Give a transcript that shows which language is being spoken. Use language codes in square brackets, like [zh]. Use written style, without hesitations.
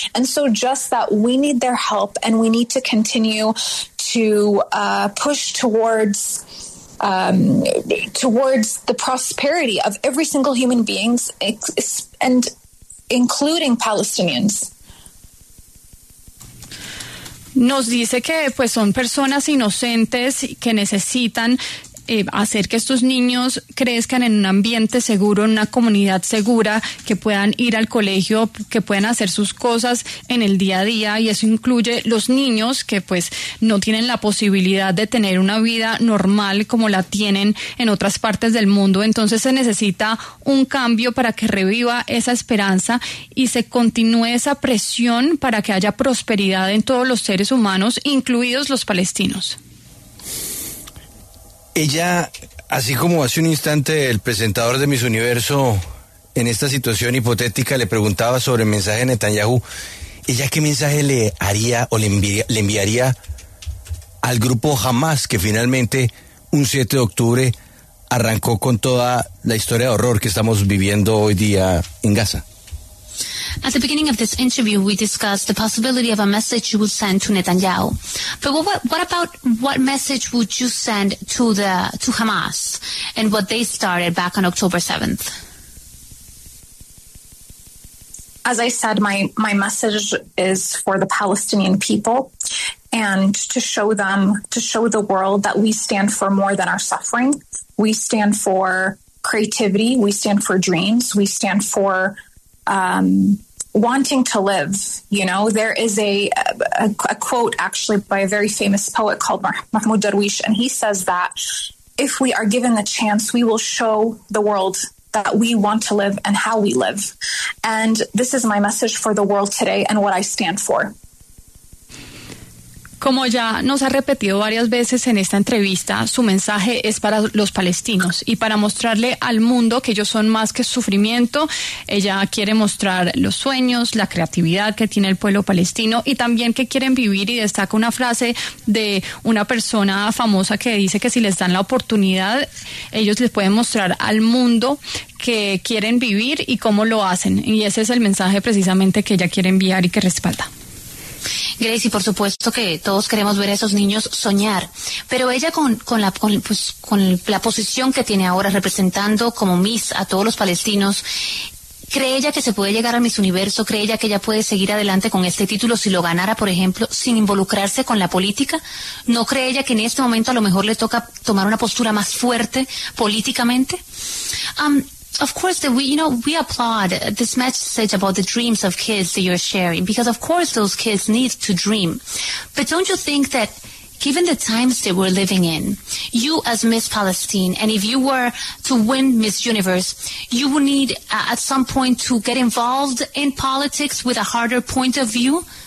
[en] And so just that we need their help and we need to continue to push towards towards the prosperity of every single human beings and including Palestinians. [es] Nos dice que pues son personas inocentes que necesitan hacer que estos niños crezcan en un ambiente seguro, en una comunidad segura, que puedan ir al colegio, que puedan hacer sus cosas en el día a día, y eso incluye los niños que pues no tienen la posibilidad de tener una vida normal como la tienen en otras partes del mundo. Entonces se necesita un cambio para que reviva esa esperanza y se continúe esa presión para que haya prosperidad en todos los seres humanos, incluidos los palestinos. Ella, así como hace un instante el presentador de Miss Universo en esta situación hipotética le preguntaba sobre el mensaje de Netanyahu, ¿ella qué mensaje le haría o le enviaría al grupo Hamas que finalmente un 7 de octubre arrancó con toda la historia de horror que estamos viviendo hoy día en Gaza? [en] At the beginning of this interview, we discussed the possibility of a message you would send to Netanyahu. But what about what message would you send to Hamas and what they started back on October 7th? As I said, my message is for the Palestinian people and to show the world that we stand for more than our suffering. We stand for creativity. We stand for dreams. We stand for wanting to live. There is a quote actually by a very famous poet called Mahmoud Darwish, and he says that if we are given the chance, we will show the world that we want to live and how we live. And this is my message for the world today and what I stand for. [es] Como ya nos ha repetido varias veces en esta entrevista, su mensaje es para los palestinos y para mostrarle al mundo que ellos son más que sufrimiento. Ella quiere mostrar los sueños, la creatividad que tiene el pueblo palestino y también que quieren vivir, y destaca una frase de una persona famosa que dice que si les dan la oportunidad, ellos les pueden mostrar al mundo que quieren vivir y cómo lo hacen. Y ese es el mensaje precisamente que ella quiere enviar y que respalda. Grace, y por supuesto que todos queremos ver a esos niños soñar, pero ella con la posición que tiene ahora representando como Miss a todos los palestinos, ¿cree ella que se puede llegar a Miss Universo? ¿Cree ella que ella puede seguir adelante con este título si lo ganara, por ejemplo, sin involucrarse con la política? ¿No cree ella que en este momento a lo mejor le toca tomar una postura más fuerte políticamente? [en] Of course, that we, you know, we applaud this message about the dreams of kids that you're sharing, because of course those kids need to dream. But don't you think that given the times that we're living in, you as Miss Palestine, and if you were to win Miss Universe, you would need at some point to get involved in politics with a harder point of view?